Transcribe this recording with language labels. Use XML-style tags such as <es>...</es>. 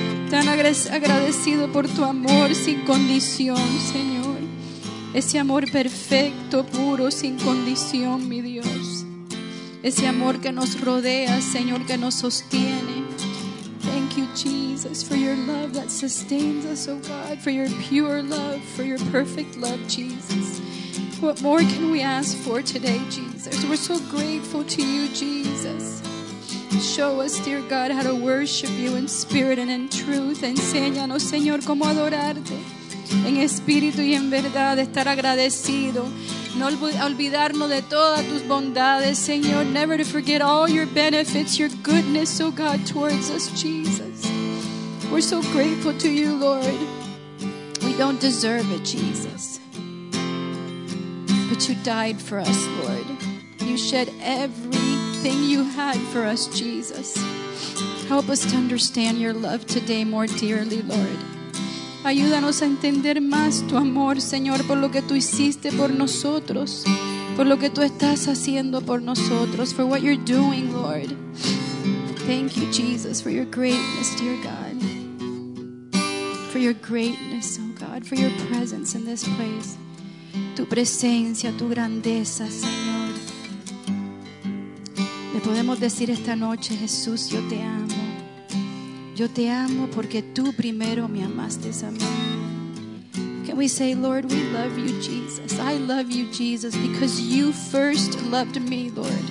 <es>Tan agradecido por tu amor sin condición, Señor. Ese amor perfecto, puro, sin condición, mi Dios. Ese amor que nos rodea, Señor, que nos sostiene.</es> <en>Thank you, Jesus, for your love that sustains us, oh God. For your pure love, for your perfect love, Jesus. What more can we ask for today, Jesus? We're so grateful to you, Jesus. Show us, dear God, how to worship you in spirit and in truth.</en> <es>Enséñanos, Señor, cómo adorarte en espíritu y en verdad, estar agradecido. No olvidarnos de todas tus bondades, Señor.</es> <en>Never to forget all your benefits, your goodness, oh God, towards us, Jesus. We're so grateful to you, Lord. We don't deserve it, Jesus. But you died for us, Lord. You shed everything you had for us, Jesus. Help us to understand your love today more dearly, Lord.</en> <es>Ayúdanos a entender más tu amor, Señor, por lo que tú hiciste por nosotros, por lo que tú estás haciendo por nosotros,</es> <en>for what you're doing, Lord. Thank you, Jesus, for your greatness, dear God. For your greatness, oh God, for your presence in this place.</en> <es>Tu presencia, tu grandeza, Señor. Le podemos decir esta noche, Jesús, yo te amo. Yo te amo porque tú primero me amaste a mí.</es> <en>Can we say, Lord, we love you, Jesus. I love you, Jesus, because you first loved me, Lord.</en>